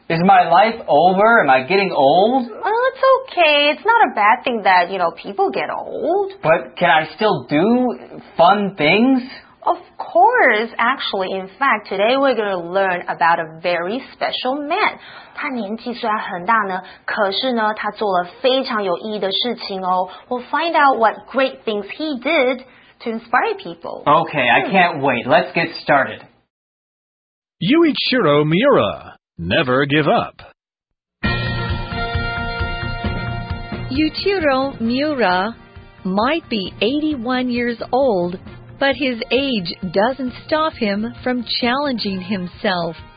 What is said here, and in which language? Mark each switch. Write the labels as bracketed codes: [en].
[en] Is my life over? Am I getting old? It's okay. It's not a bad thing that, you know, people get old. But can I still do fun things? Of course. Actually, in fact, today we're going to learn about a very special man. [zh] 他年纪虽然很大呢，可是呢，他做了非常有意义的事情哦。 [en] We'll find out what great things he did to inspire people. Okay, I can't wait. Let's get started. Yuichiro Miura, Never Give Up. Yuichiro Miura might be 81 years old, but his age doesn't stop him from challenging himself.